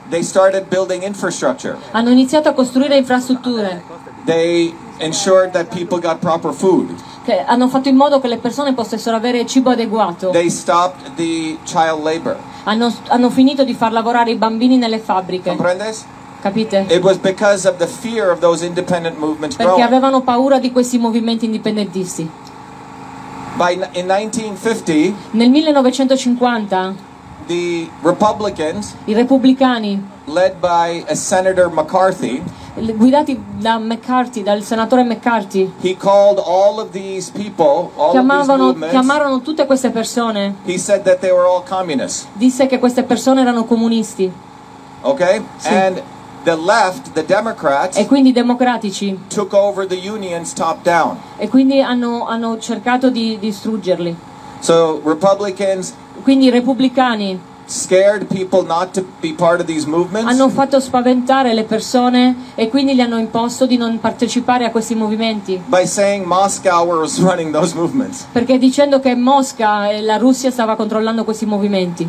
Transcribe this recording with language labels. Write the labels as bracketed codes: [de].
[en] They started building infrastructure. [it] Hanno iniziato a costruire infrastrutture. [en] They ensured that people got proper food. [it] Che hanno fatto in modo che le persone potessero avere cibo adeguato. [en] They stopped the child labor. [it] Hanno finito di far lavorare i bambini nelle fabbriche. [es] Comprendes? [it] Capite? [en] It was because of the fear of those independent movements growing. [it] Perché avevano paura di questi movimenti indipendentisti. [en] In 1950 [it] nel 1950 [en] the Republicans [it] i repubblicani [en] led by a Senator McCarthy [it] guidati da McCarthy dal senatore McCarthy [en] he called all of these people all [it] chiamavano, [en] of these movements [it] chiamarono tutte queste persone [en] he said that they were all communists [it] disse che queste persone erano comunisti [en] okay [it] sì. [en] And the left, the Democrats, [it] e quindi i democratici, [en] took over the unions top down. [it] E quindi hanno cercato di distruggerli. [en] So Republicans, [it] quindi i repubblicani, [en] scared people not to be part of these movements. [it] Hanno fatto spaventare le persone e quindi gli hanno imposto di non partecipare a questi movimenti. [en] By saying Moscow was running those movements. [it] Perché dicendo che Mosca e la Russia stava controllando questi movimenti.